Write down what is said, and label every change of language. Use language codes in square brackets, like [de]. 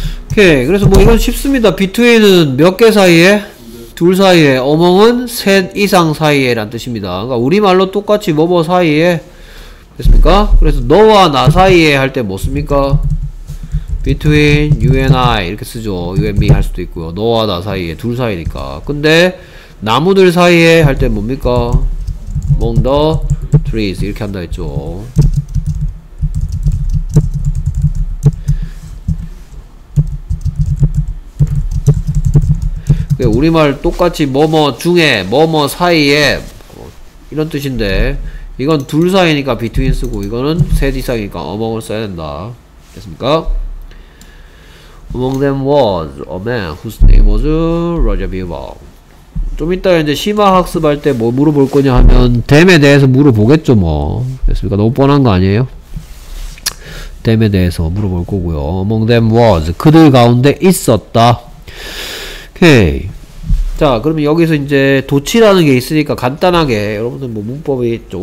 [ko] 오케이. 그래서 뭐 이건 쉽습니다. 비트윈은 몇 개 사이에? 둘 사이에, 어멍은 셋 이상 사이에 라는 뜻입니다. 그러니까 우리말로 똑같이 뭐뭐 사이에 됐습니까? 그래서 너와 나 사이에 할 때 뭐 씁니까? [en] between you and I [ko] 이렇게 쓰죠. [en] you and me [ko] 할 수도 있고요. 너와 나 사이에 둘 사이니까. 근데 나무들 사이에 할 때 뭡니까? [en] among the trees [ko] 이렇게 한다 했죠. 우리말 똑같이 뭐뭐 중에 뭐뭐 사이에 이런 뜻인데 이건 둘 사이니까 between 쓰고 이거는 셋 이상이니까 among을 써야 된다. 됐습니까? [en] Among them was a man whose name was Roger Birbal. [ko] 좀 이따 이제 심화 학습할 때 뭐 물어볼 거냐 하면 them에 대해서 물어보겠죠 뭐. 됐습니까? 너무 뻔한 거 아니에요? them에 대해서 물어볼 거고요. [en] Among them was [ko] 그들 가운데 있었다. 오케이. 자, 그러면 여기서 이제 도치라는 게 있으니까 간단하게 여러분들 뭐 문법이 있죠.